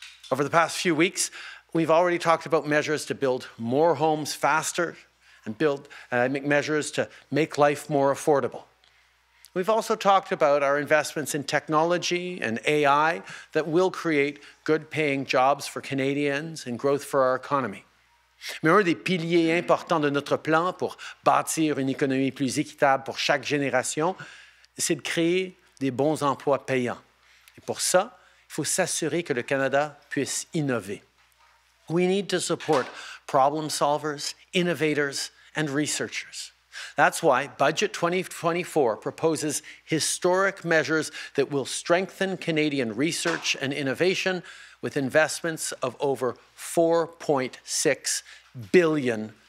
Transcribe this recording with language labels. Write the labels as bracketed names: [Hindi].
[English] Over the past few weeks, we've already talked about measures to build more homes faster and make measures to make life more affordable. We've also talked about our investments in technology and AI that will create good-paying jobs for Canadians and growth for our economy. [French] Mais un des piliers importants de notre plan pour bâtir une économie plus équitable pour chaque génération, c'est de créer des bons emplois payants. Et pour ça, il faut s'assurer que le Canada puisse innover. [English] We need to support problem solvers, innovators, and researchers. That's why Budget 2024 proposes historic measures that will strengthen Canadian research and innovation with investments of over $4.6 billion.